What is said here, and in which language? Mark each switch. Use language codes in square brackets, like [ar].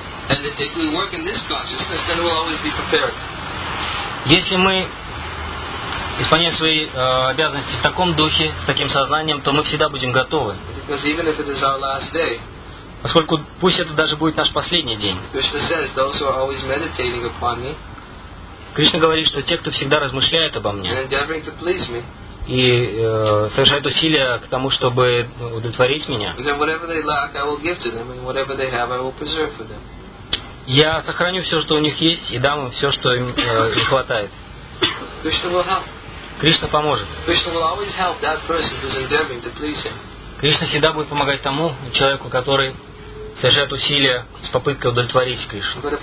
[en] And if we work in this consciousness, then we'll always be prepared. [ru] Если мы исполняем свои обязанности в таком духе, с таким сознанием, то мы всегда будем готовы. [en] Because even if it is our last day, [ru] поскольку пусть это даже будет наш последний день, [en] Krishna says, those who are always meditating upon me, [ru] Кришна говорит, что те, кто всегда размышляет обо мне, [en] and endeavoring to please me, [ru] и совершают усилия к тому, чтобы удовлетворить меня, [en] then whatever they lack, I will give to them, and whatever they have, I will preserve for them. [ru] Я сохраню все, что у них есть, и дам им все, что им не хватает. Кришна поможет. Кришна всегда будет помогать тому человеку, который совершает усилия с попыткой удовлетворить Кришну.